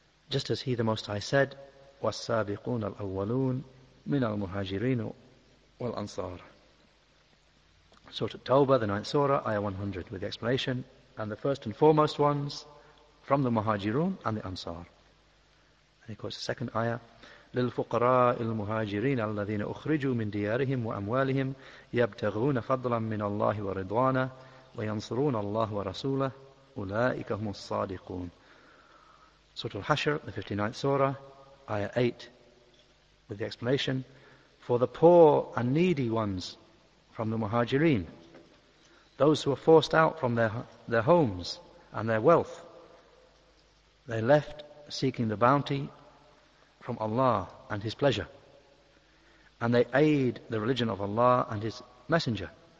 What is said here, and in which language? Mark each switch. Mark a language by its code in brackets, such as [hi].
[en] Just as He, the Most High, said, [ar] وَالسَّابِقُونَ الْأَوَّلُونَ مِنَ الْمُهَاجِرِينُ وَالْأَنصَارِ. [en] Surah At-Tawbah, the 9th Surah, Ayah 100, with the explanation, and the first and foremost ones from the Muhajirun and the Ansar. And of course, the second ayah, [ar] للفقراء المهاجرين الذين أخرجوا من ديارهم وأموالهم يبتغون فضلا من الله ورضوانا وينصرون الله ورسوله أولئك هم الصادقون. [en] Surah Al-Hashr, the 59th Surah, Ayah 8, with the explanation, for the poor and needy ones from the Muhajirin, those who were forced out from their homes and their wealth, they left seeking the bounty from Allah and His pleasure, and they aid the religion of Allah and His Messenger.